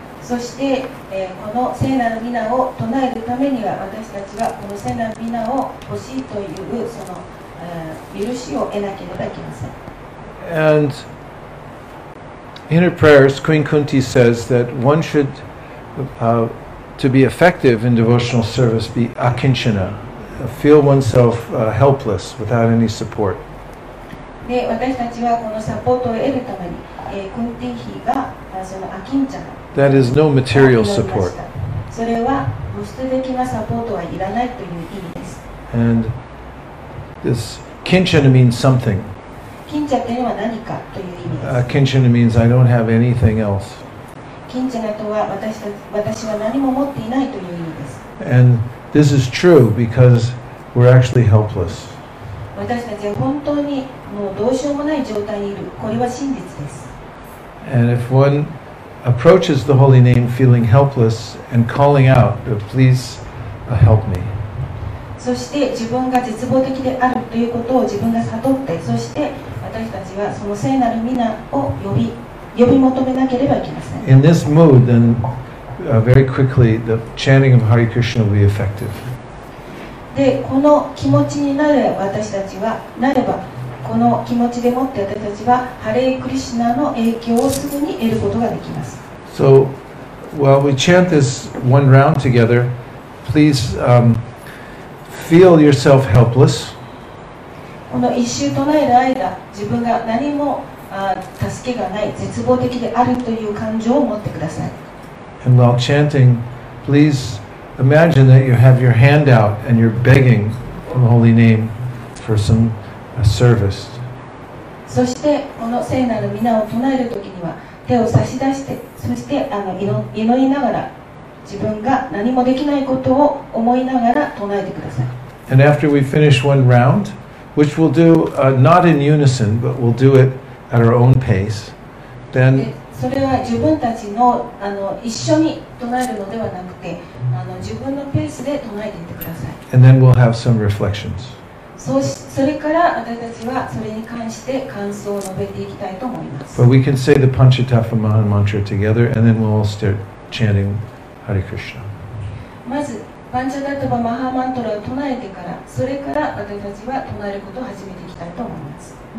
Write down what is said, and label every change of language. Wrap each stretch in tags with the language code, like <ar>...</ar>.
<en>And in her prayers, Queen Kunti says that one should, to be effective in devotional service, be akinchana, feel oneself helpless without any support.</en> <ja>で、私たちはこのサポートを得るために、軍手費がそのアキンちゃん。</ja> <en>That is no material support.</en> <ja>それは物質的なサポートはいらないという意味です。</ja> <en>And this kinchana means something.</en> <ja>Kinchana というのは何かという意味です。</ja> <en>Kinchana means I don't have anything else.</en> <ja>Kinchana とは私は何も持っていないという意味です。</ja> <en>And this is true because we're actually helpless.</en> <ja>私たちは本当にもうどうしようもない状態にいる。これは真実です。</ja> <en>And if one approaches the holy name feeling helpless and calling out, please help me.</en> <ja>そして自分が絶望的であるということを自分が悟って、そして私たちはその聖なる御名を呼び求めなければいけません。</ja> <en>In this mood, then, very quickly, the chanting of Hare Krishna will be effective.</en> <ja>で、この気持ちになれば私たちは、なれば、この気持ちでもって私たちは、ハレクリシナの影響をすぐに得ることができます。</ja> <en>So, while we chant this one round together, please, feel yourself helpless.</en> <ja>この一周唱える間、自分が何も助けがない、絶望的であるという感情を持ってください。</ja> <en>And while chanting, please imagine that you have your hand out and you're begging for the holy name for some service.</en> <ja>そしてこの聖なる御名を唱える時には、手を差し出して、そして祈りながら。自分が何もできないことを思いながら唱えてください。</ja> <en>And after we finish one round, which we'll do not in unison, but we'll do it at our own pace, then</en> <ja>それは自分たちの一緒に唱えるのではなくて、自分のペースで唱えていてください。</ja> <en>And then we'll have some reflections.</en> <ja>それから私たちはそれに関して感想を述べていきたいと思います。</ja> <en>But we can say the Panchatattva Mantra together, and then we'll all start chanting. Hare Krishna.</en> <ja>まずパンチャダトバマハマントラを唱えてから、それから私たちは唱えることを始めていきたいと思います。</ja>